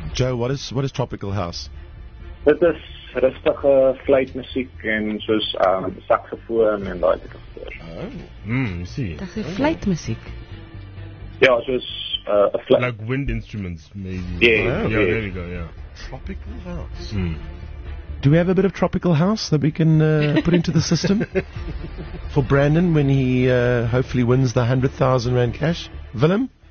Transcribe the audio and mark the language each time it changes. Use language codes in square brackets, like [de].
[en] Joe, what is Tropical House? [af] Dit is rustige fluitmuziek en soos saxofoon en daai tipe goed. Sien. Dis fluitmuziek. Ja, soos fluit. [en] Like wind instruments maybe. Yeah, yeah, yeah, yeah. There we go, yeah. Tropical House. Mm. Do we have a bit of Tropical House that we can put into the system for Brandon when he hopefully wins the 100,000 rand cash? Willem?